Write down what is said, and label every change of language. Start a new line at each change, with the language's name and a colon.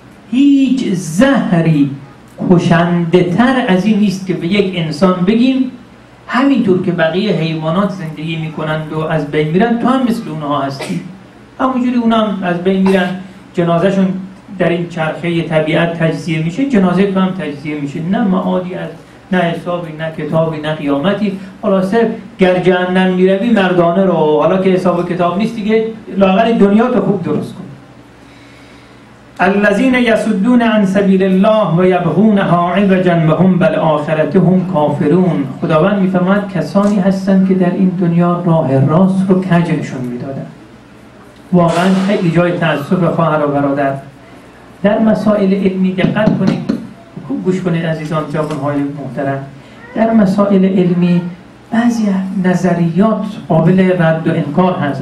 Persian: هیچ زهری کشنده تر از این نیست که به یک انسان بگیم همینطور که بقیه حیوانات زندگی میکنند و از بین میرن، تو هم مثل اونها هستی، همونجوری اونها هم از بین میرن، جنازه شون در این چرخه طبیعت تجزیه میشه، جنازه تو هم تجزیه میشه. نه معادی از نه حسابی، نه کتابی، نه قیامتی. حالا صرف گر جهنم میروی مردانه رو، حالا که حساب و کتاب نیست دیگه، لاغر دنیا تو خوب درست کن.
Arabic: الذين يسدون عن سبيل الله ويبغونها عوجا وهم بالآخرتهم كافرون.
Persian: خداوند میفرماید کسانی هستند که در این دنیا راه راست رو کجشون میدادن. واقعا خیلی جای تأسف خواهر و برادر. در مسائل علمی دقت کنید، خوب گوش کنید عزیزان، جوانهای محترم، در مسائل علمی بعضی نظریات قابل رد و انکار هست.